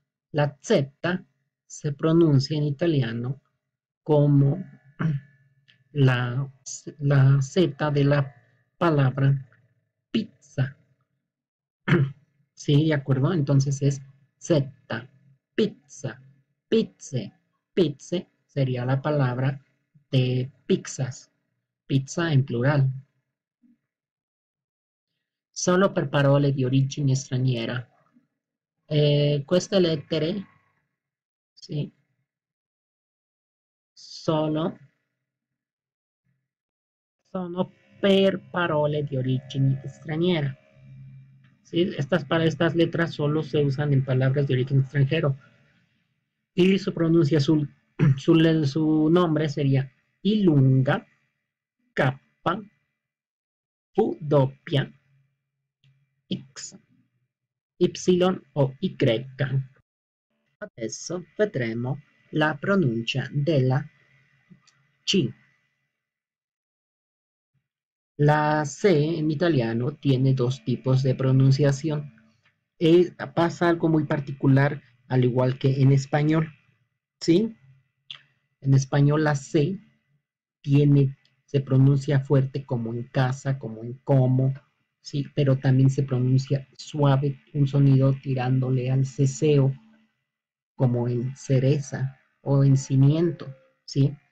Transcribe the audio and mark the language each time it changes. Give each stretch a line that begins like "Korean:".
Spanish: La Z se pronuncia en italiano como la Z de la palabra pizza. ¿Sí? ¿De acuerdo? Entonces es Z, pizza, pizza, pizza. Sería la palabra de pizzas, pizza en plural.
Italian: Solo per parole di origine straniera. Queste lettere, sì, sono per parole di origine straniera.
Spanish: Sì, estas letras solo se usan en palabras de origen extranjero. Y su pronuncia azul. Su nombre sería Ilunga Kappa W X Y o Y.
Italian: Adesso vedremo la pronuncia della C.
Spanish: La C en italiano tiene dos tipos de pronunciación. Pasa algo muy particular, al igual que en español. ¿Sí? En español la C se pronuncia fuerte como en casa, como en como, sí, pero también se pronuncia suave, un sonido tirándole al ceseo, como en cereza o en cimiento, ¿sí?